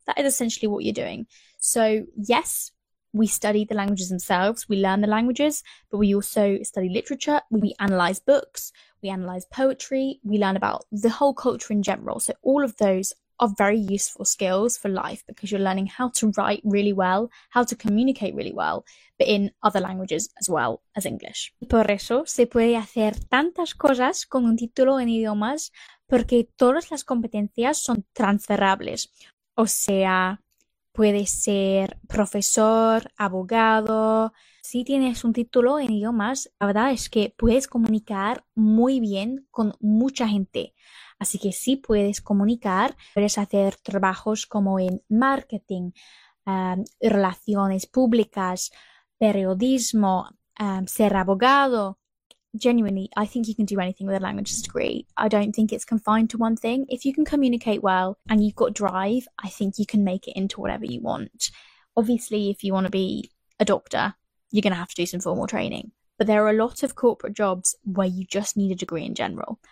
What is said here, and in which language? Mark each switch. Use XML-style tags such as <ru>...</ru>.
<en>That is essentially what you're doing. So yes, we study the languages themselves, we learn the languages, but we also study literature, we analyze books, we analyze poetry, we learn about the whole culture in general. So all of those are very useful skills for life because you're learning how to write really well, how to communicate really well, but in other languages as well as English.</en> <es>Por eso se puede hacer tantas cosas con un título en idiomas porque todas las competencias son transferables. O sea, puede ser profesor, abogado. Si tienes un título en idiomas, la verdad es que puedes comunicar muy bien con mucha gente. Así que sí puedes comunicar, puedes hacer trabajos como en marketing, relaciones públicas, periodismo, ser abogado.</es> <en>Genuinely, I think you can do anything with a language degree. I don't think it's confined to one thing. If you can communicate well and you've got drive, I think you can make it into whatever you want. Obviously, if you want to be a doctor, you're going to have to do some formal training. But there are a lot of corporate jobs where you just need a degree in general.</en>